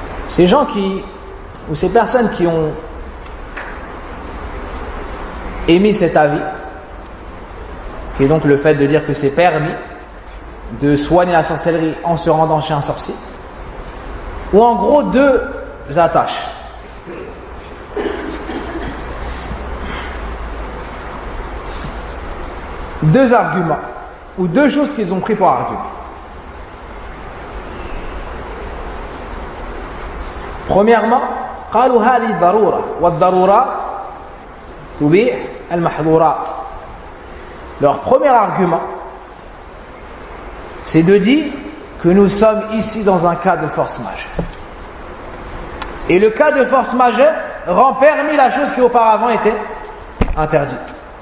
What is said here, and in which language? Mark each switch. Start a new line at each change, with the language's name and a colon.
French: Ces gens qui, ou ces personnes qui ont émis cet avis, qui est donc le fait de dire que c'est permis de soigner la sorcellerie en se rendant chez un sorcier, ou en gros deux attaches. Deux arguments, ou deux choses qu'ils ont pris pour argument. Premièrement,
Arabic: قالوا هذه ضرورة والضرورة تبيح المحظورات.
French: Leur premier argument, c'est de dire que nous sommes ici dans un cas de force majeure. Et le cas de force majeure rend permis la chose qui auparavant était interdite.